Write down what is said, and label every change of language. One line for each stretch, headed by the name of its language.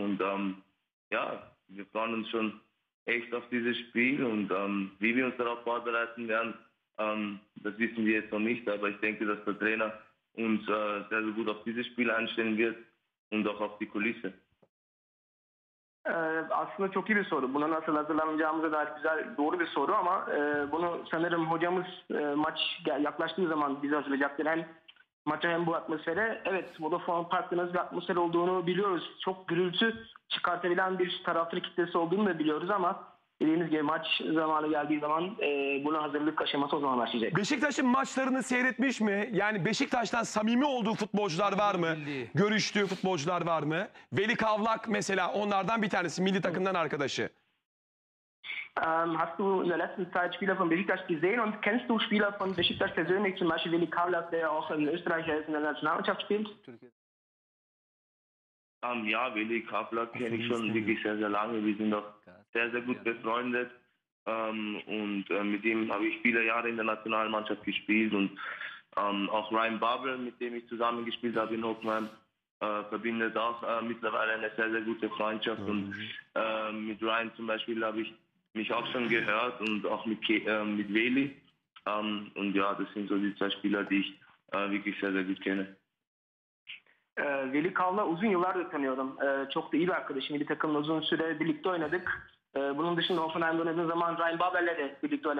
German: Und ja, wir freuen uns schon echt auf dieses Spiel. Und wie wir uns darauf vorbereiten werden, das wissen wir jetzt noch nicht. Aber ich denke, dass der Trainer uns sehr, sehr gut auf dieses Spiel einstellen wird und auch auf die Kulisse.
Turkish: Aslında çok iyi bir soru. Buna nasıl hazırlanacağımıza dair güzel, doğru bir soru ama bunu sanırım hocamız maç yaklaştığı zaman bize hazırlayacaktır. Hem maça hem bu atmosfere. Evet, Vodafone Park'ın bir atmosfer olduğunu biliyoruz. Çok gürültü çıkartabilen bir taraftar kitlesi olduğunu da biliyoruz ama dediğiniz gibi maç zamanı geldiği zaman buna hazırlık aşaması o zaman başlayacak. Beşiktaş'ın maçlarını seyretmiş mi? Yani Beşiktaş'tan samimi olduğu futbolcular var mı? Bildiği. Görüştüğü futbolcular var mı? Veli Kavlak mesela onlardan bir tanesi, milli takımdan arkadaşı.
German: Hast du in der letzten Zeit Spieler von Beşiktaş gesehen und kennst du Spieler von Beşiktaş persönlich, zum Beispiel Veli Kavlak, der auch in Österreich in der Nationalmannschaft spielt? Ja, Veli Kavlak kenne ich schon wirklich sehr, sehr lange. Wir sind auch sehr, sehr gut befreundet. Und mit ihm habe ich viele Jahre in der Nationalmannschaft gespielt. Und auch Ryan Babel, mit dem ich zusammen gespielt habe in Hoffenheim, verbindet auch mittlerweile eine sehr, sehr gute Freundschaft. Und mit Ryan zum Beispiel habe ich mich auch schon gehört und auch mit Veli. Und ja, das sind so die zwei Spieler, die ich wirklich sehr, sehr gut kenne.
Turkish: Veli Kavla uzun yıllardır tanıyorum. Çok da iyi bir arkadaşım. Bir takımla uzun süre birlikte oynadık. Bunun dışında Hoffenheim'de oynadığım zaman Ryan Babel'le de birlikte oynadık.